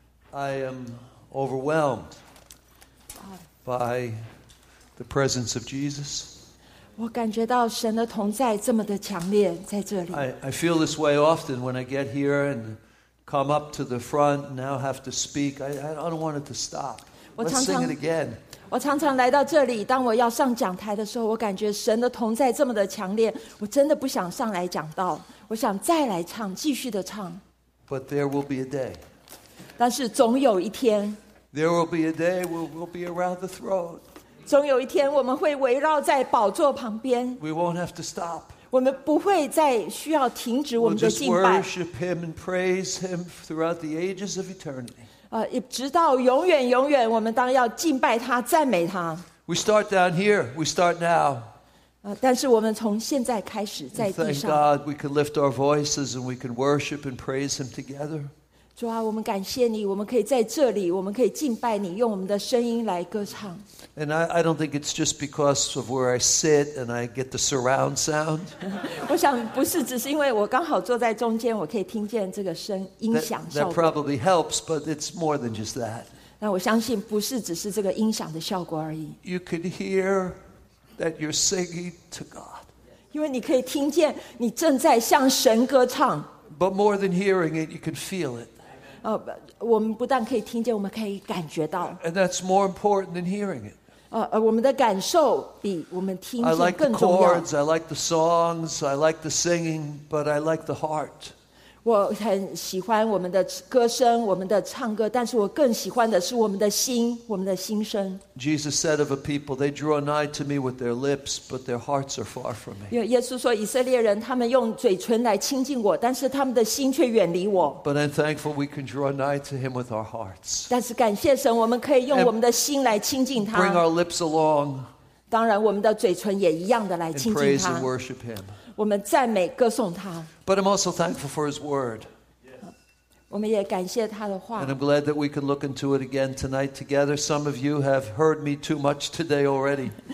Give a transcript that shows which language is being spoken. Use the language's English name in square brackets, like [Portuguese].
[English] I am overwhelmed by the presence of Jesus. [Chinese] 我感觉到神的同在这么的强烈在这里。 [English] I feel this way often when I get here and come up to the front and now have to speak. I don't want it to stop. Let's sing it again. [Chinese] 我常常来到这里，当我要上讲台的时候，我感觉神的同在这么的强烈，我真的不想上来讲道，我想再来唱，继续的唱。 [English] But there will be a day. [Chinese] 但是总有一天。 [English] There will be a day where we'll be around the throne. [Chinese] 总有一天我们会围绕在宝座旁边。 [English] We won't have to stop. [Chinese] 我们不会再需要停止我们的敬拜。 [English] We'll just worship Him and praise Him throughout the ages of eternity. [Chinese] 直到永远永远我们当要敬拜他赞美他 [English] We start down here, we start now [Chinese] 但是我们从现在开始在地上 [English] Thank God we can lift our voices and we can worship and praise him together [Chinese] 主啊我们感谢你我们可以在这里我们可以敬拜你用我们的声音来歌唱 [English] And I don't think it's just because of where I sit and I get the surround sound [Chinese] 我想不是只是因为我刚好坐在中间我可以听见这个声音响效果 [English] That probably helps but it's more than just that [Chinese] 那我相信不是只是这个音响的效果而已 [English] You can hear that you're singing to God [Chinese] 因为你可以听见你正在向神歌唱 [English] But more than hearing it, you can feel it [Chinese] 我们不但可以听见我们可以感觉到 [English] And that's more important than hearing it [Chinese] 我们的感受比我们听见更重要 [English] I like the chords, I like the songs, I like the singing, but I like the heart [Chinese] 我很喜欢我们的歌声我们的唱歌但是我更喜欢的是我们的心我们的心声 [English] Jesus said of a people, they draw nigh to me with their lips, but their hearts are far from me [Chinese] 耶稣说以色列人他们用嘴唇来亲近我但是他们的心却远离我 [English] But I'm thankful we can draw nigh to him with our hearts [Chinese] 但是感谢神我们可以用我们的心来亲近他 [English] Bring our lips along [Chinese] 当然我们的嘴唇也一样的来亲近他 [English] And praise and worship him But I'm also thankful for his word. And I'm glad that we can look into it again tonight together. Some of you have heard me too much today already.